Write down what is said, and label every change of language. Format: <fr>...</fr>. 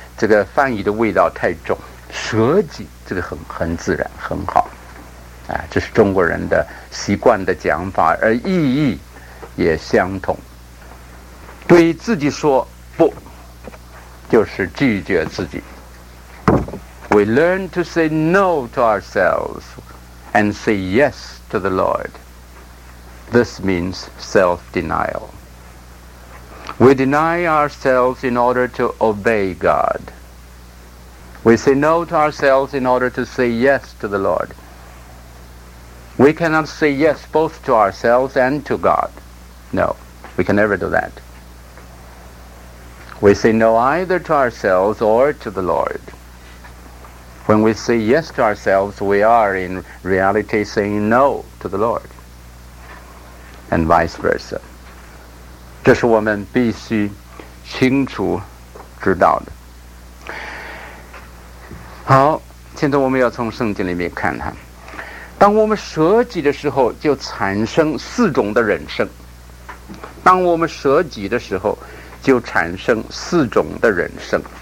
<zh>这个翻译的味道太重，舍己这个很自然很好，啊，这是中国人的习惯的讲法，而意义也相同。对自己说不，就是拒绝自己。</zh> <en>We learn to say no to ourselves and say yes to the Lord. This means self-denial. We deny ourselves in order to obey God. We say no to ourselves in order to say yes to the Lord. We cannot say yes both to ourselves and to God. No, we can never do that. We say no either to ourselves or to the Lord. When we say yes to ourselves, we are in reality saying no to the Lord. And vice versa.</en> <zh>这是我们必须清楚知道的。好，现在我们要从圣经里面看看，当我们舍己的时候就产生四种的人生，当我们舍己的时候就产生四种的人生。</zh>